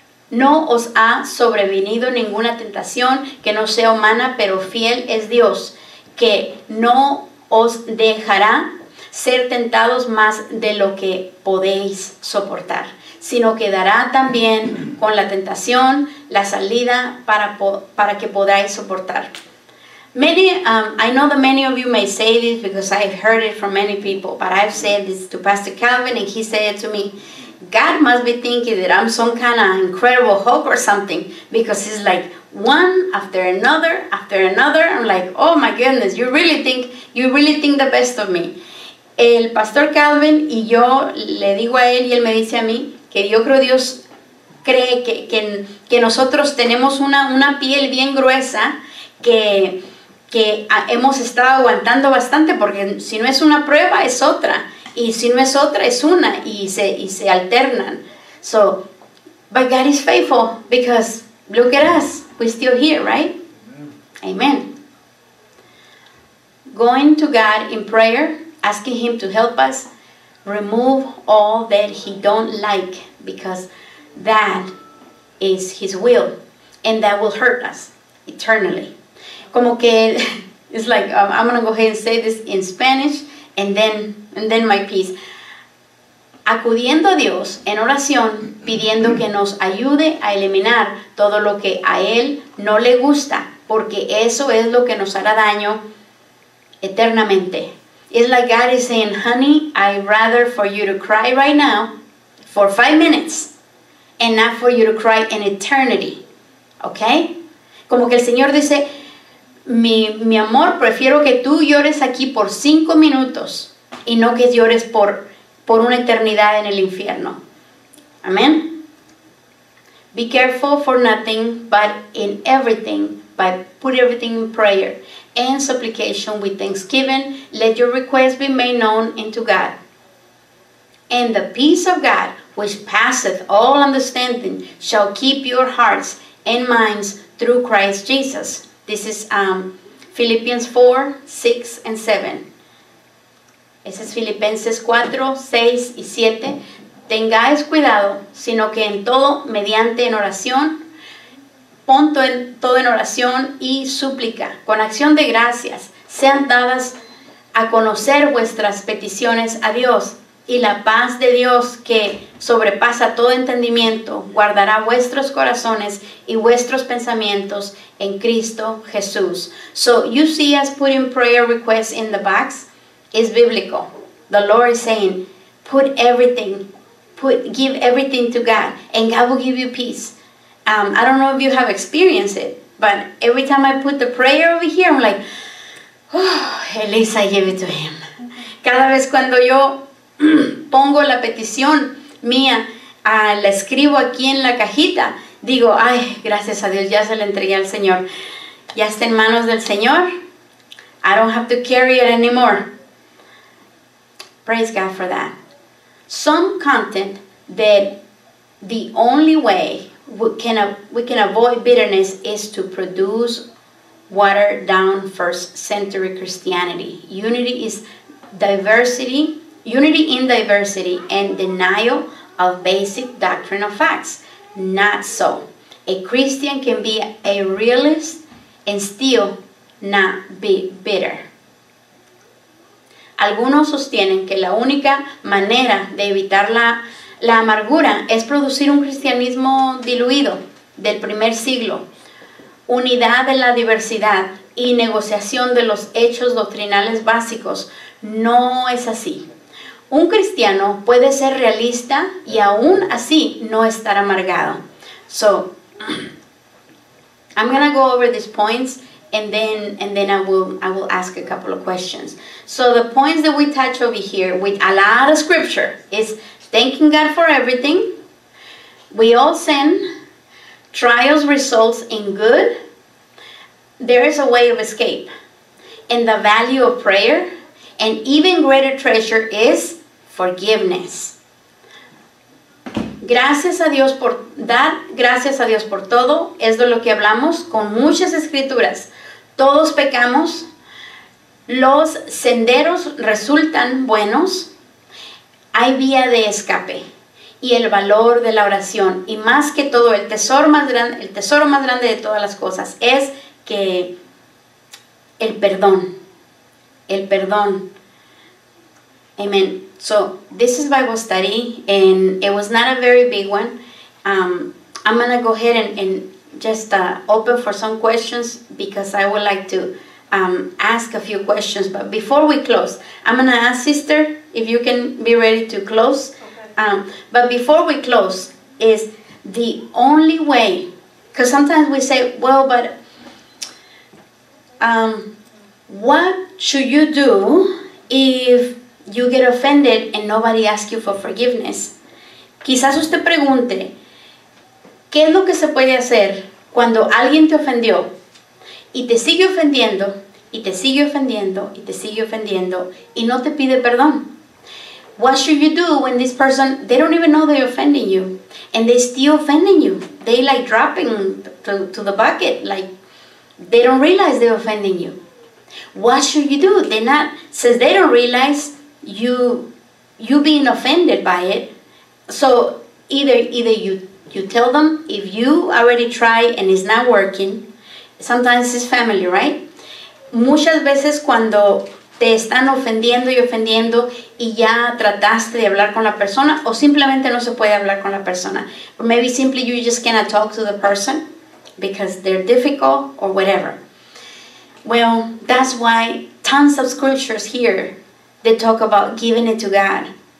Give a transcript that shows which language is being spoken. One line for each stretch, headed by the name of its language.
Spanish: No os ha sobrevenido ninguna tentación que no sea humana, pero fiel es Dios, que no os dejará ser tentados más de lo que podéis soportar, sino que dará también con la tentación la salida para que podáis soportar.
English: I know that many of you may say this because I've heard it from many people, but I've said this to Pastor Calvin and he said it to me. God must be thinking that I'm some kind of incredible hope or something, because it's like one after another, I'm like, oh my goodness, you really think the best of me.
Spanish: El Pastor Calvin y yo le digo a él y él me dice a mí que yo creo Dios cree que nosotros tenemos una piel bien gruesa que hemos estado aguantando bastante, porque si no es una prueba es otra. Y si no es otra, es una, y se alternan.
English: So, but God is faithful, because look at us, we're still here, right? Amen. Amen. Going to God in prayer, asking Him to help us remove all that He don't like, because that is His will, and that will hurt us eternally.
Spanish: Como que,
English: it's like, I'm going to go ahead and say this in Spanish, And then my peace.
Spanish: Acudiendo a Dios en oración, pidiendo que nos ayude a eliminar todo lo que a Él no le gusta, porque eso es lo que nos hará daño eternamente.
English: It's like God is saying, honey, I'd rather for you to cry right now for 5 minutes and not for you to cry in eternity. Okay?
Spanish: Como que el Señor dice, Mi amor, prefiero que tú llores aquí por 5 minutos y no que llores por una eternidad en el infierno. Amén.
English: Be careful for nothing, but in everything, by put everything in prayer and supplication with thanksgiving, let your requests be made known unto God. And the peace of God, which passeth all understanding, shall keep your hearts and minds through Christ Jesus. This is Philippians 4, 6 and 7.
Spanish: Ese es Filipenses 4, 6 y 7. Tengáis cuidado, sino que en todo, mediante en oración, pon todo en oración y súplica, con acción de gracias, sean dadas a conocer vuestras peticiones a Dios, y la paz de Dios, que sobrepasa todo entendimiento, guardará vuestros corazones y vuestros pensamientos en Cristo Jesús.
English: So, you see us putting prayer requests in the box? It's biblical. The Lord is saying, give everything to God, and God will give you peace. I don't know if you have experienced it, but every time I put the prayer over here, I'm like, oh, at least I give it to Him.
Spanish: Cada vez cuando yo pongo la petición mía la escribo aquí en la cajita. Digo, ay, gracias a Dios, ya se la entregué al Señor. Ya está en manos del Señor.
English: I don't have to carry it anymore. Praise God for that. Some content that the only way we can avoid bitterness is to produce watered-down first-century Christianity. Unity is diversity, unity in diversity, and denial of basic doctrinal facts. Not so. A Christian can be a realist and still not be bitter.
Spanish: Algunos sostienen que la única manera de evitar la amargura es producir un cristianismo diluido del primer siglo, unidad de la diversidad y negociación de los hechos doctrinales básicos. No es así. Un cristiano puede ser realista y aún así no estar amargado.
English: So, I'm going to go over these points and then I will ask a couple of questions. So the points that we touch over here with a lot of scripture is thanking God for everything. We all sin. Trials results in good. There is a way of escape. And the value of prayer. An even greater treasure is forgiveness.
Spanish: Gracias a Dios por dar, gracias a Dios por todo. Es de lo que hablamos con muchas escrituras. Todos pecamos. Los senderos resultan buenos. Hay vía de escape. Y el valor de la oración. Y más que todo, el tesoro más grande de todas las cosas es que el perdón. El perdón. Amen.
English: So, this is Bible study, and it was not a very big one. I'm going to go ahead and just open for some questions, because I would like to ask a few questions. But before we close, I'm going to ask Sister if you can be ready to close. Okay. But before we close, is the only way, because sometimes we say, well, but what should you do if you get offended and nobody asks you for forgiveness?
Spanish: Quizás usted pregunte, ¿qué es lo que se puede hacer cuando alguien te ofendió y te sigue ofendiendo y te sigue ofendiendo y te sigue ofendiendo y no te pide perdón?
English: What should you do when this person, they don't even know they're offending you and they're still offending you? They like dropping to the bucket, like they don't realize they're offending you. What should you do? They're not, since they don't realize you being offended by it. So either you tell them, if you already try and it's not working, sometimes it's family, right?
Spanish: Muchas veces cuando te están ofendiendo y ofendiendo y ya trataste de hablar con la persona, o simplemente no se puede hablar con la persona.
English: Or maybe simply you just cannot talk to the person because they're difficult or whatever. Well, that's why tons of scriptures here that talk about giving it to God.